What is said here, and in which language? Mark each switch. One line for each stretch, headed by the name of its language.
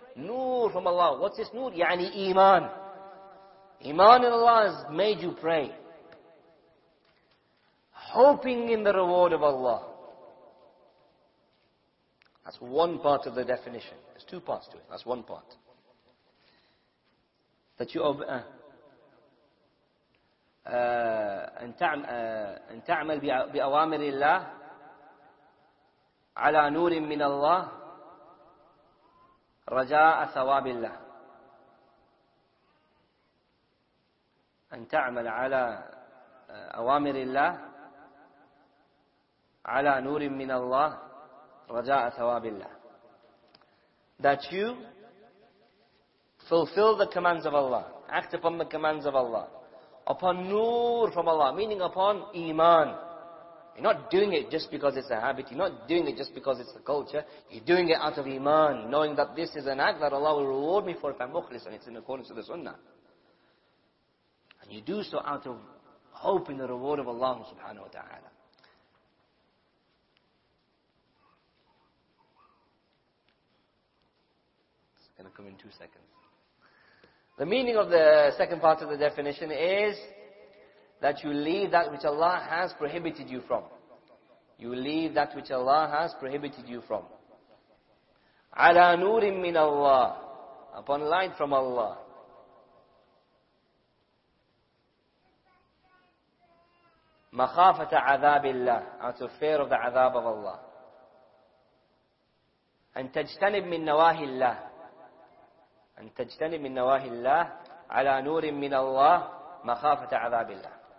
English: Nur from Allah. What's this nur? Yani iman. Iman in Allah has made you pray. hoping in the reward of Allah. That's one part of the definition. There's two parts to it. That's one part. That you
Arabic: أن تعمل بأوامر الله على نور من الله رجاء ثواب الله. أن تعمل على أوامر الله على نور من الله رجاء ثواب الله.
English: That you fulfill the commands of Allah, act upon the commands of Allah, upon nur from Allah, meaning upon iman. You're not doing it just because it's a habit, you're not doing it just because it's a culture, you're doing it out of iman, knowing that this is an act that Allah will reward me for if I'm mukhlis, and it's in accordance with the sunnah. And you do so out of hope in the reward of Allah subhanahu wa ta'ala. Going to come in 2 seconds. The meaning of the second part of the definition is that you leave that which Allah has prohibited you from. You leave that which Allah has prohibited you from.
Arabic: عَلَى نُورٍ مِّنَ اللَّهِ.
English: Upon light from Allah.
Arabic: مَخَافَةَ عَذَابِ اللَّهِ.
English: Out of fear of the عذاب of Allah.
Arabic: أَن تَجْتَنِبْ مِّن نَوَاهِ اللَّهِ. أن تجتنب من نواهي الله على نور من الله مخافة عذاب الله.